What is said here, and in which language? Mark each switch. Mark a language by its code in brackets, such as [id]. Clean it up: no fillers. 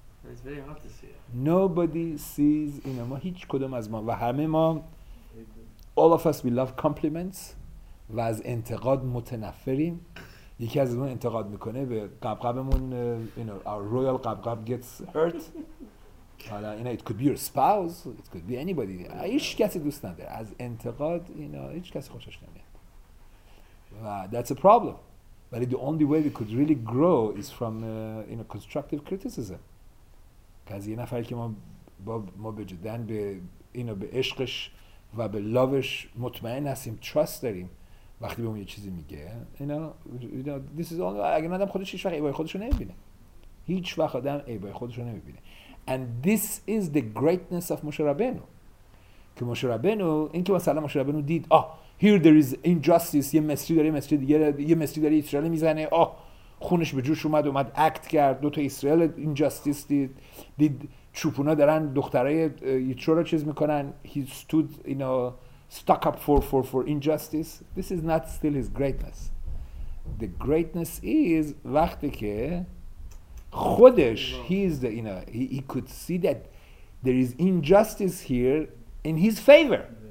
[en] It's very hard to see. Nobody sees. [fa] ما هیچ کدوم از ما و همه ما. [en] All of us we love compliments. [fa] و از انتقاد متنفریم. یکی از ما انتقاد میکنه به قبقبمون. [en] Our royal قبقب gets hurt. it could be your spouse, it could be anybody. [fa] هیچ کسی دوست نداره. از انتقاد هیچ کسی خوشش نمیاد. [en] That's a problem. But the only way we could really grow is from constructive criticism. [fa] که از یه نفر که ما به جدن به به عشقش و به لوش مطمئن هستیم، trust داریم. وقتی به اون یه چیزی میگه، [en] this is only [fa] اگه آدم خودش هیچ وقت عیبای خودش رو نمیبینه. هیچ وقت آدم عیبای خودش رو نمیبینه. [en] And this is the greatness of Moshe Rabbeinu. [fa] که مشه رابنو این که مثلا مشه رابنو دید آه [en] here there is injustice، [fa] یه مصری داره مصری دیگه، یه مصری داره اسرائیل میزنه، آه خونش به جوش اومد، اومد اکت کرد، دو تا اسرائیل injustice دید، دید چوپونا دارن دخترای یترو رو چیز میکنن، [en] he stood you know stuck up for injustice. This is not still his greatness. The greatness is [fa] وقتی که خودش [en] he could see that there is injustice here in his favor.